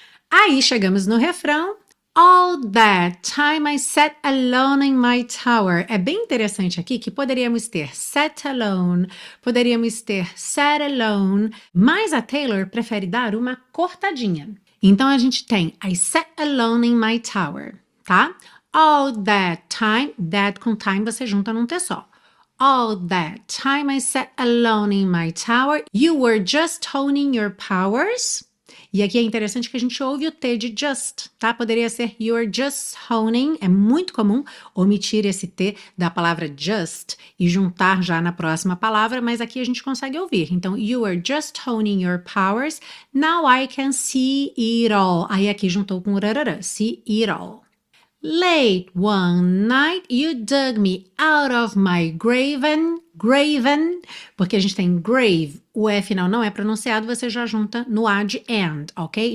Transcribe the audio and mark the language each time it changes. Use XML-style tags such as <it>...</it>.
<pt>Aí chegamos no refrão.</pt> <en>All that time I sat alone in my tower.</en> <pt>É bem interessante aqui que poderíamos ter sat alone, poderíamos ter sat alone, mas a Taylor prefere dar uma cortadinha. Então a gente tem</pt> <en>I sat alone in my tower, tá?</en> <pt>All that time, that com time você junta num T só.</pt> <en>All that time I sat alone in my tower, you were just honing your powers.</en> <pt>E aqui é interessante que a gente ouve o T de just, tá? Poderia ser you're just honing. É muito comum omitir esse T da palavra just e juntar já na próxima palavra, mas aqui a gente consegue ouvir.</pt> <en>Então, you are just honing your powers. Now I can see it all.</en> <pt>Aí aqui juntou com o rarara, see it all.</pt> <en>Late one night you dug me out of my graven,</en> <pt>porque a gente tem grave, o F final não é pronunciado, você já junta no A de and, ok?</pt>